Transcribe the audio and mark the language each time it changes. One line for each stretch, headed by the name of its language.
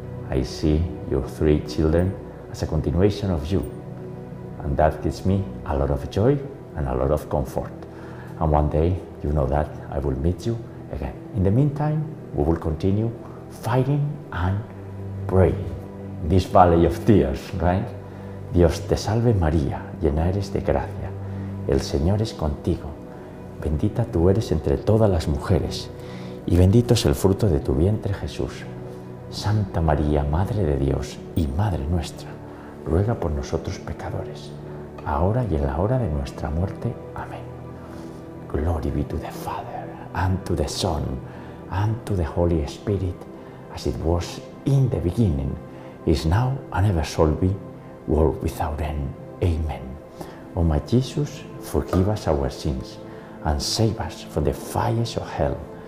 English: I see your three children as a continuation of you. And that gives me a lot of joy and a lot of comfort. And one day, you know that I will meet you again. In the meantime, we will continue fighting and praying in this valley of tears, right?
Spanish: Dios te salve María, llena eres de gracia. El Señor es contigo. Bendita tú eres entre todas las mujeres. Y bendito es el fruto de tu vientre, Jesús. Santa María, Madre de Dios y Madre nuestra, ruega por nosotros pecadores, ahora y en la hora de nuestra muerte. Amén.
English: Glory be to the Father, and to the Son, and to the Holy Spirit, as it was in the beginning, is now, and ever shall be, world without end. Amen. O my Jesus, forgive us our sins and save us from the fires of hell.